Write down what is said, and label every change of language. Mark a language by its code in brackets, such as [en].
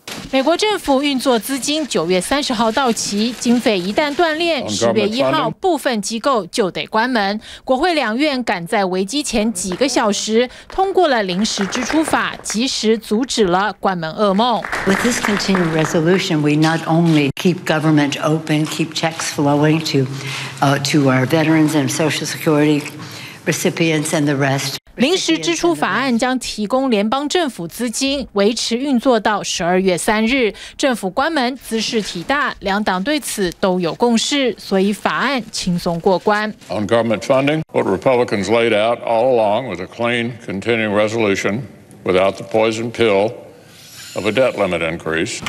[zh] 美国政府运作资金9月30号到期，经费一旦断裂，10月1号部分机构就得关门。国会两院赶在危机前几个小时通过了临时支出法，及时阻止了关门噩梦。 [en] With this continuing resolution, we not only keep government open, keep checks flowing to our veterans and Social Security recipients and the rest. [zh] 临时支出法案将提供联邦政府资金维持运作到12月3日，政府关门姿势体大，两党对此都有共识，所以法案轻松过关。 [en] On government funding, what Republicans laid out all along was a clean continuing resolution without the poison pillOf a debt limit increase.